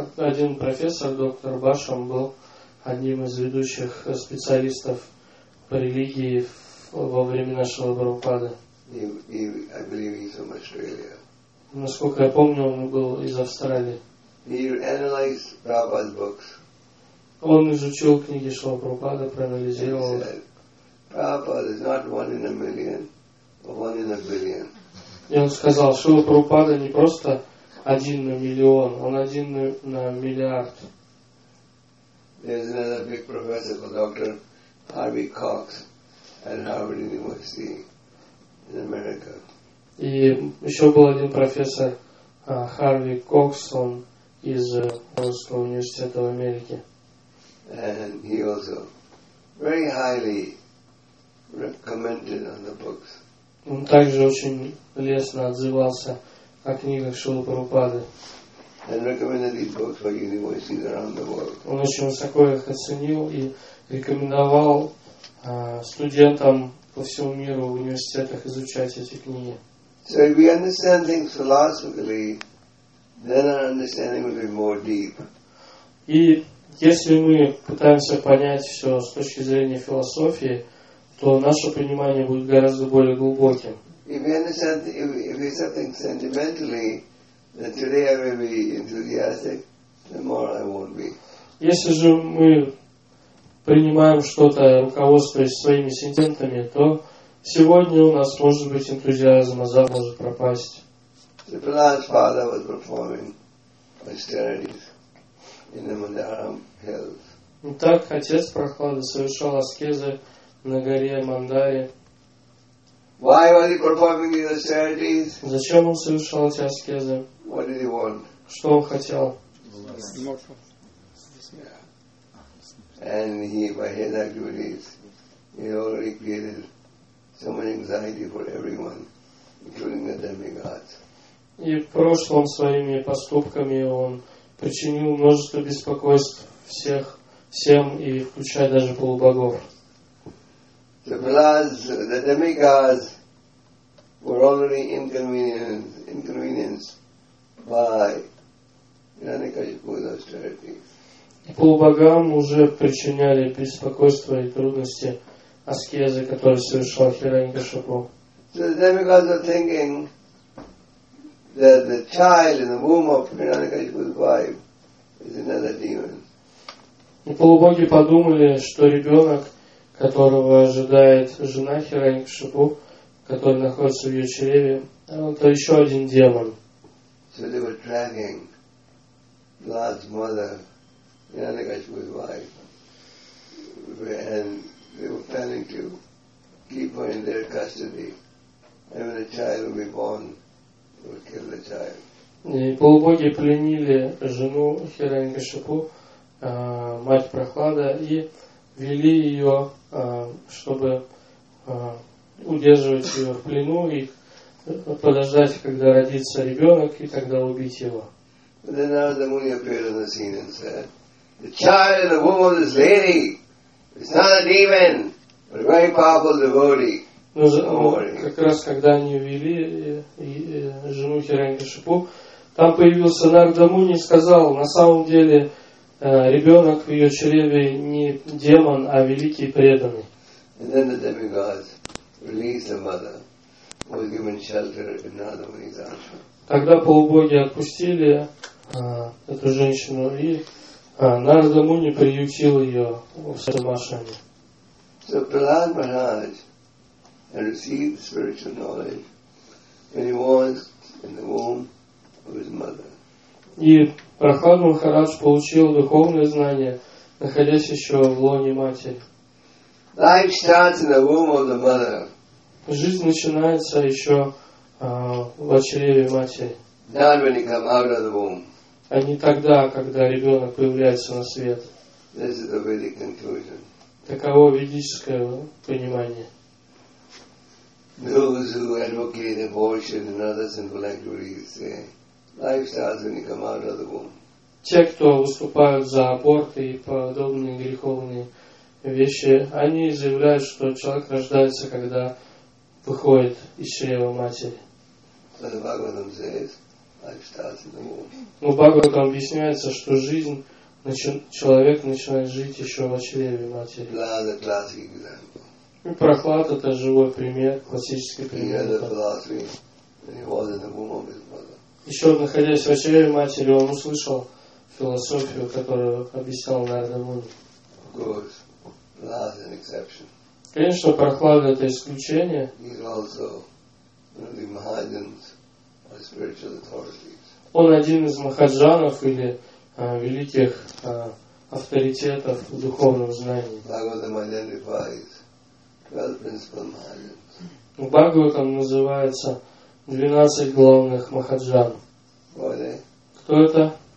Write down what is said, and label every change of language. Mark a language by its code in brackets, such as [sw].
[ru] Один профессор, доктор Башам, был одним из ведущих специалистов по религии во времена Шрилы Прабхупады. [en] I believe he's from Australia. [ru] Насколько я помню, он был из Австралии. [en] He analyzed Prabhupada's books. [ru] Он изучил книги Шрилы Прабхупады, проанализировал. [en] He said, Prabhupada is not one in a million, but one in a billion. [ru] И он сказал, Шрила Прабхупада не просто один на миллион, он один на миллиард. [en] There's another big professor called Dr. Harvey Cox at Harvard University in America. [ru] И еще был один профессор Харви Кокс, он из Орского университета в Америке. [en] And he also very highly recommended on the books. [ru] Он также очень лестно отзывался о книгах Шрилы Прабхупады. Он очень высоко их оценил и рекомендовал студентам по всему миру в университетах изучать эти книги. [en] So if we understand things philosophically, then our understanding will be more deep. [ru] И если мы пытаемся понять все с точки зрения философии, то наше понимание будет гораздо более глубоким. [en] If we understand, if we something sentimentally, then today I may be enthusiastic, tomorrow I won't be. [ru] Если же мы принимаем что-то, руководствуясь своими сентиментами, то сегодня у нас может быть энтузиазм, а завтра может пропасть. [en] So Prahlad's father was performing austerities in the Mandaram Hills. [ru] Итак, отец Прохлады совершал аскезы на горе Мандаре. [en] Why was he performing these austerities? [ru] Зачем он совершал эти аскезы? [en] What did he want? [ru] Что он хотел? [en] And he, by his activities, he already created so much anxiety for everyone, including the demigods. [ru] И в прошлом своими поступками он причинил множество беспокойств всех, всем, и включая даже полубогов. [en] So Prahlad's, the demigods were already inconvenienced by Hiranyakashipu's austerity. [ru] И полубогам уже причиняли беспокойство и трудности аскезы, которые совершал Хиранькашипу. [en] So the demigods are thinking that the child in the womb of Hiranyakashipu's wife is another demon. [ru] И полубоги подумали, что ребенок, которого ожидает жена Хиранькашипу, который находится в ее чреве, это еще один демон. [en] So they were dragging Prahlad's mother. And they were planning to keep her in their custody. And when a child would be born, they would kill the child. [ru] И полубоги пленили жену Хиранькашипу, мать Прохлада, и вели ее, чтобы удерживать ее в плену и подождать, когда родится ребенок, и тогда убить его. [en] But then Narada Muni appeared on the scene and said, the child in the womb of this lady is not a demon, but a very powerful devotee. [ru] Как раз когда они ввели жену Хиранькашипу, там появился Нарада Муни и сказал, на самом деле ребенок в ее чреве не демон, а великий преданный. [en] And then the demigods released the mother, who was given shelter in Nanda Muni's ashram. [ru] Тогда полубоги отпустили эту женщину и Нарада Муни приютил ее в своем ашраме. [en] So Prahlad Maharaj received spiritual knowledge when he was in the womb of his mother. [ru] И Прохлад Махарадж получил духовное знание, находясь еще в лоне матери. [en] Life starts in the womb of the mother. [ru] Жизнь начинается еще в чреве матери. [en] Not when you come out of the womb. [ru] А не тогда, когда ребенок появляется на свет. [en] This is the Vedic conclusion. [ru] Таково ведическое понимание. [en] Those who advocate abortion and other sinful activities say, life starts when you come out of the womb. [ru] Те, кто выступают за аборт и подобные греховные вещи, они заявляют, что человек рождается, когда выходит из чрева матери. [en] So the Bhagavatam says, life starts in the womb. [ru] Но Бхагаватам объясняется, что жизнь, человек начинает жить еще во чреве матери. [en] Prahlad – classic example. [ru] И Прохлад – это живой пример, классический пример. [en] He had a philosophy, and he was in the womb of his mother. [ru] Еще находясь во чреве матери, он услышал философию, которую объяснял Нарада Муни. [en] Of course, Prahlad is an exception. [ru] Конечно, Прохлад – это исключение. [en] He's also one of the Mahajans, or spiritual authority. [ru] Он один из махаджанов или великих авторитетов в духовном знании. [en] Бхагаватам identifies 12 principal mahajans. [ru] В Бхагаватам называется 12 главных махаджан. Кто это?